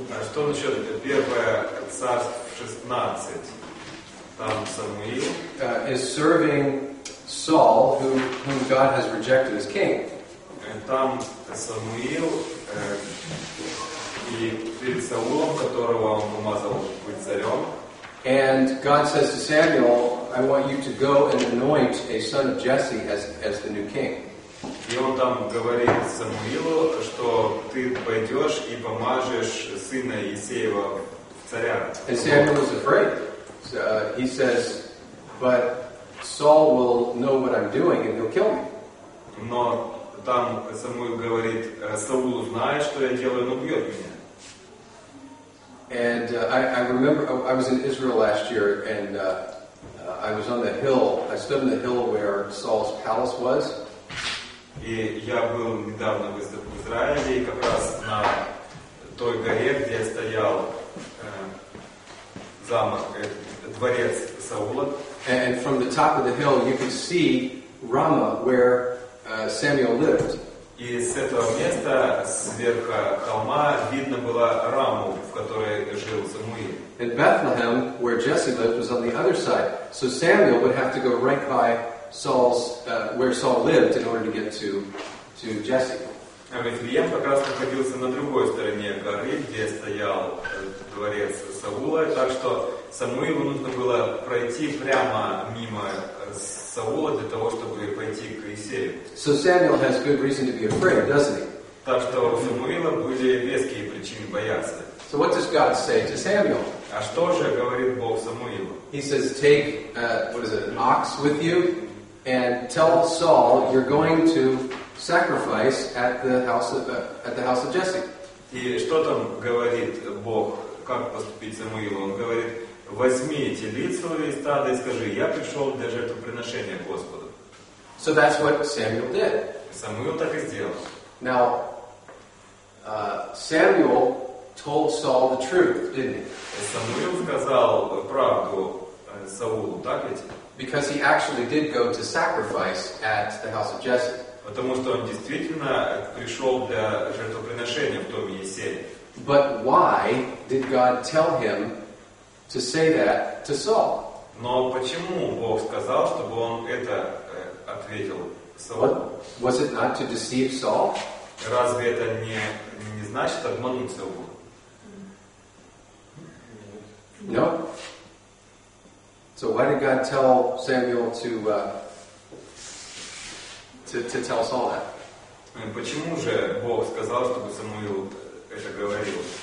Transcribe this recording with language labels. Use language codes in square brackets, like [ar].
[ru] Что насчет первое царство 16? Там Самуил. [en] Is serving Saul, whom God has rejected as king. [ru] And там Самуил и перед Саулом, которого он помазал быть царем. [en] And God says to Samuel, I want you to go and anoint a son of Jesse as the new king. [ru] И он там говорит Самуилу, что ты пойдешь и помажешь сына Иисеева царя. [en] And Samuel is afraid. He says, but Saul will know what I'm doing and he'll kill me. [ru] Но там Самуил говорит, Саул знает, что я делаю, но убьет меня. [en] And I remember I was in Israel last year, and I was on the hill. I stood on the hill where Saul's palace was. [ru] И я был недавно в Израиле, и как раз на той горе, где стоял замок, дворец Саула. [en] And from the top of the hill, you could see Ramah, where Samuel lived. [ru] И с этого места, сверху холма, видно было Раму, в которой жил Самуил. [en] And Bethlehem, where Jesse lived, was on the other side. So Samuel would have to go right by Saul's, where Saul lived, in order to get to Jesse. [ru] А Бетлеем как раз находился на другой стороне горы, где стоял дворец Саула. Так что Самуилу нужно было пройти прямо мимо Саула для того, чтобы пойти к Иисею. [en] So Samuel has good reason to be afraid, doesn't he? [ru] Так что у Самуила были веские причины бояться. [en] So what does God say to Samuel? [ru] А что же говорит Бог Самуилу? [en] He says, take an ox with you and tell Saul you're going to sacrifice at the house of Jesse. [ru] И что там говорит Бог, как поступить Самуилу? Он говорит, возьми телиц свое стадо и скажи, я пришел для жертвоприношения Господу. [en] So that's what Samuel did. [ru] Самуил так и сделал. [en] Now, Samuel told Saul the truth, didn't he? [ru] Самуил сказал правду Саулу, так ведь? [en] Because he actually did go to sacrifice at the house of Jesse. [ru] Потому что он действительно пришел для жертвоприношения в доме Иессея. [en] But why did God tell him to say that to Saul? [ru] Но почему Бог сказал, чтобы он это ответил Саулу? [en] Was it not to deceive Saul? [ru] Разве это не значит обмануть Саула? [en] No. So why did God tell Samuel to tell Saul that? [ru] Почему же Бог сказал, чтобы Самуил это говорил?